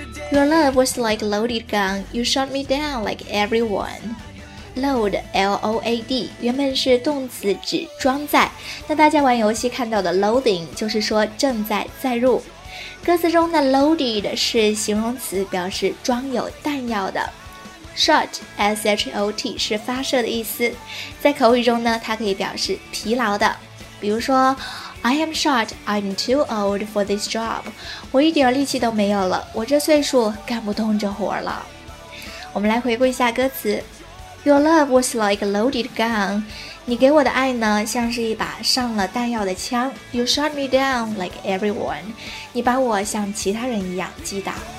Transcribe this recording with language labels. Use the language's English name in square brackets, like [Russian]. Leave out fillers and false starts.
[English] Your love was like a loaded gun. You shot me down like everyone. [Chinese] Load, L-O-A-D, 原本是动词指装载，那大家玩游戏看到的 loading 就是说正在载入。歌词中的 loaded 是形容词，表示装有弹药的。 Shot, S-H-O-T 是发射的意思，在口语中呢，它可以表示疲劳的。比如说 [English] I am shot, I'm too old for this job， [Chinese] 我一点力气都没有了，我这岁数干不动这活了。我们来回顾一下歌词。 [English] Your love was like a loaded gun. [Chinese] 你给我的爱呢，像是一把上了弹药的枪。 [English] You shot me down like everyone. [Chinese] 你把我像其他人一样击倒。